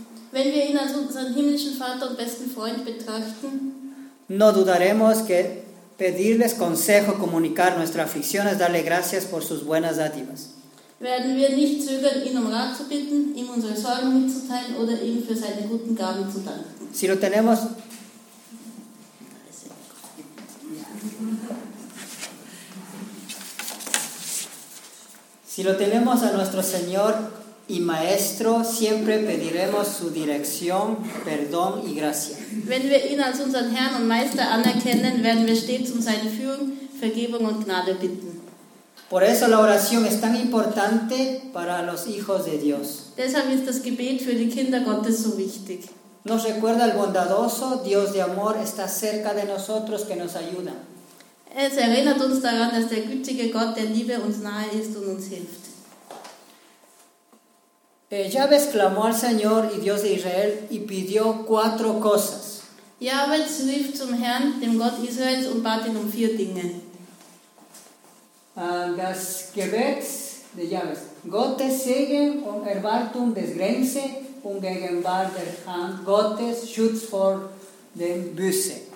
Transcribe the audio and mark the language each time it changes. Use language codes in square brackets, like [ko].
[de] wenn wir ihn als unseren himmlischen Vater und besten Freund betrachten, [es] no dudaremos que pedirles consejo, comunicar nuestras aficiones, darle gracias por sus buenas dádivas. [de] Werden wir nicht zögern, ihn um Rat zu bitten, ihm unsere Sorgen mitzuteilen oder ihm für seine guten Gaben zu danken. [es] Si lo tenemos. Si lo tenemos a nuestro Señor y Maestro, siempre pediremos su dirección, perdón y gracia. [de] Wenn wir ihn als unseren Herrn und Meister anerkennen, werden wir stets um seine Führung, Vergebung und Gnade bitten. [es] Por eso la oración es tan importante para los hijos de Dios. [de] Deshalb ist das Gebet für die Kinder Gottes so wichtig. [es] Nos recuerda el bondadoso Dios de amor está cerca de nosotros que nos ayuda. [de] Es erinnert uns daran, dass der gütige Gott der Liebe uns nahe ist und uns hilft. [es] Jabez clamó al Señor y Dios de Israel y pidió cuatro cosas. [de] Jabez rief zum Herrn, dem Gott Israels, und bat ihn um vier Dinge. Das Gebet de Jabez. Gottes Segen und Erwartung des Grenze und Gegenwart der Hand Gottes, Schutz vor dem Büsse.